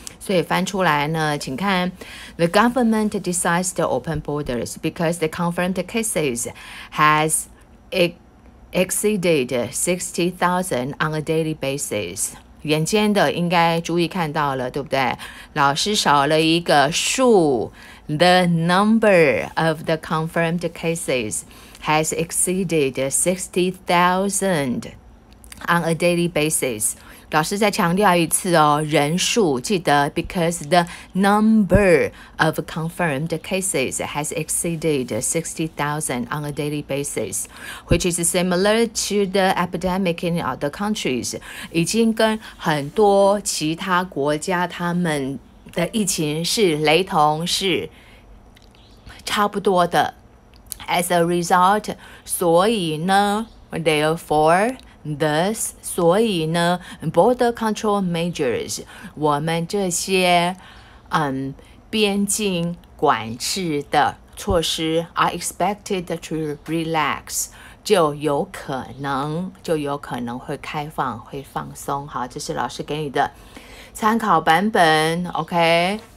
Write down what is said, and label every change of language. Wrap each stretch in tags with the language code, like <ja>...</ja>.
<zh>所以翻出来呢，请看</zh> <en>The government decides to open borders because the confirmed cases has exceeded 60,000 on a daily basis。</en> <zh>眼尖的应该注意看到了，对不对？老师少了一个数，</zh> <en>The number of the confirmed cases has exceeded 60,000 on a daily basis.</en> <zh>老师再强调一次哦，人数记得</zh> <en>because the number of confirmed cases has exceeded 60,000 on a daily basis, which is similar to the epidemic in other countries.</en> <zh>已经跟很多其他国家他们的疫情是雷同，是差不多的。</zh> <en>As a result,</en> <zh>所以呢</zh> <en>therefore, thus,</en> <zh>所以呢</zh> <en>border control measures,</en> <zh>我们这些边境管制的措施</zh> <en>are expected to relax,</en> <zh>就有可能会开放，会放松。好，这是老师给你的参考版本。 OK，</zh>